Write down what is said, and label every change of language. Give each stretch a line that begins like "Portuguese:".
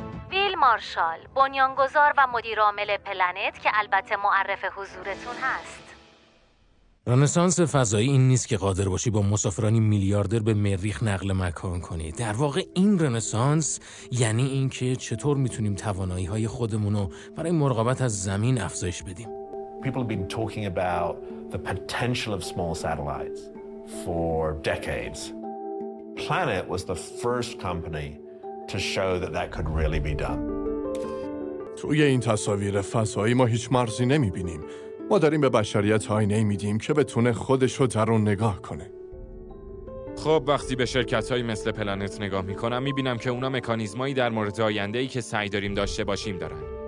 Persian: ویل مارشال، بنیانگذار و مدیر عامل پلنت، که البته معرف حضورتون هست. رنسانس فضایی این نیست که قادر باشی با مسافرانی میلیاردر به مریخ نقل مکان کنی. در واقع این رنسانس یعنی این که چطور میتونیم توانایی های خودمونو برای مراقبت از زمین افزایش بدیم.
English: People have been talking about the potential of small satellites for decades. Planet was the first company to show that that could really be done.
Persian: توی این تصاویر فضایی ما هیچ مرزی نمیبینیم. ما داریم به بشریت آینه میدیم که بتونه خودشو در اون نگاه کنه. خب وقتی به شرکت‌های مثل پلنت نگاه میکنم میبینم که اونا مکانیزمایی در مورد آینده‌ای که سعی داریم داشته باشیم دارن.